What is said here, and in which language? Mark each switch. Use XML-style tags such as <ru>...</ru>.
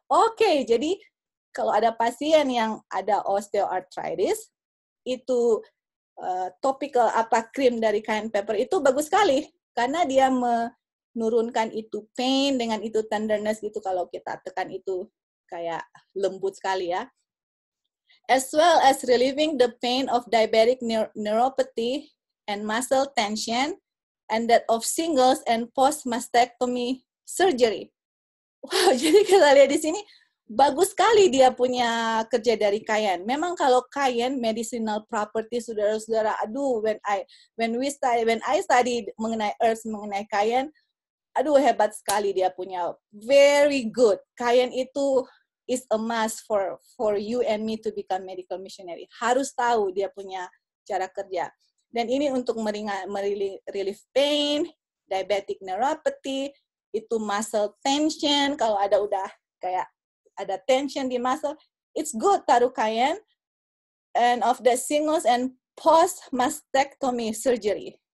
<id>Oke, okay, jadi kalau ada pasien yang ada osteoarthritis, itu topical apa krim dari cayenne pepper itu bagus sekali karena dia menurunkan itu pain dengan itu tenderness gitu kalau kita tekan itu kayak lembut sekali ya.</id> <en>As well as relieving the pain of diabetic neuropathy and muscle tension and that of shingles and post mastectomy surgery.</en> <id>Wow, jadi kita lihat di sini bagus sekali dia punya kerja dari cayenne. Memang kalau cayenne medicinal property saudara-saudara, aduh</id> <en>when I study</en> <id>mengenai herbs mengenai cayenne, aduh hebat sekali dia punya.</id> <en>Very good. Cayenne itu is a must for you and me to become medical missionary.</en> <id>Harus tahu dia punya cara kerja. Dan ini untuk relieve pain, diabetic neuropathy, itu muscle tension kalau ada udah kayak ada tension di muscle,</id> <en>it's good</en> <id>taruh cayenne,</id> <en>and of the shingles and post mastectomy surgery.</en>